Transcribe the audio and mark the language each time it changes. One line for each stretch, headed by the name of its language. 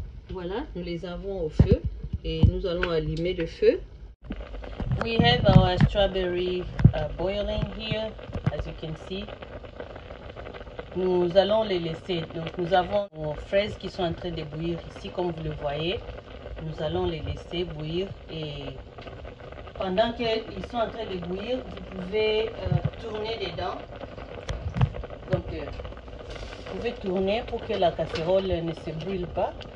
French: Voilà, nous les avons au feu et nous allons allumer le feu.
English: We have our strawberry boiling here, as you can see.
French: Nous allons les laisser. Donc, nous avons nos fraises qui sont en train de bouillir ici, comme vous le voyez. Nous allons les laisser bouillir. Et pendant qu'ils sont en train de bouillir, vous pouvez tourner dedans. Donc, vous pouvez tourner pour que la casserole ne se brûle pas.